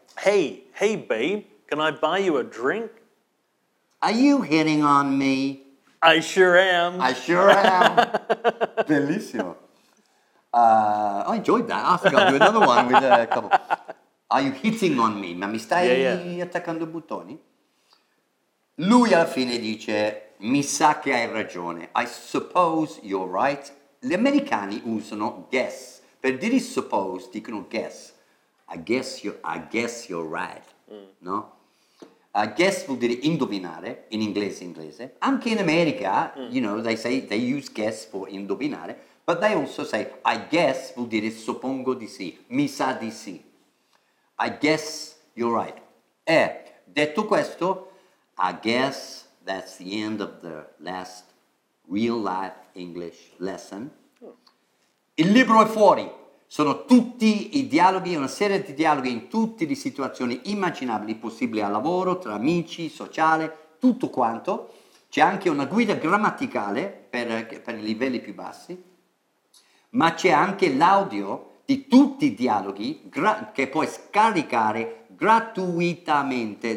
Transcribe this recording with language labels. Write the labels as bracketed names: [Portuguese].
[English] Hey, babe, can I buy you a drink? Are you hitting on me? I sure am. [Italian] Bellissimo. [English] I enjoyed that. I think I'll do another one with a couple. Are you hitting on me? [Italian] Ma mi stai attaccando buttoni? Lui alla fine dice, mi sa che hai ragione. [English] I suppose you're right. [Italian] Gli americani usano guess. Per dire suppose, dicono guess. [English] I guess you're right. [Italian] Mm. No? Guess vuol dire indovinare, in inglese. Anche in America, [English] you know, they use guess for indovinare. But they also say, I guess [Italian] vuol dire suppongo di sì. Mi sa di sì. [English] I guess you're right. [Italian] Detto questo, [English] I guess that's the end of the last real-life English lesson. [Italian] Il libro è fuori. Sono tutti I dialoghi, una serie di dialoghi in tutte le situazioni immaginabili, possibili al lavoro, tra amici, sociale, tutto quanto. C'è anche una guida grammaticale per I livelli più bassi. Ma c'è anche l'audio di tutti I dialoghi che puoi scaricare gratuitamente.